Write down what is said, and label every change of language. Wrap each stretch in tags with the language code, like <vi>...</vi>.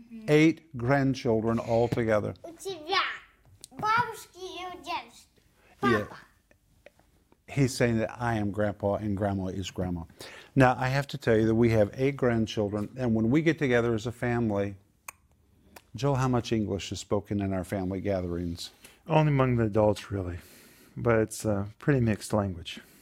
<en>8 grandchildren all together.</en> <ru>У тебя бабушки и дедушки.</ru> <en>Yeah. He's saying that I am grandpa and grandma is grandma. Now, I have to tell you that we have 8 grandchildren, and when we get together as a family, Joel, how much English is spoken in our family gatherings? Only among the adults, really. But it's a pretty mixed language.</en>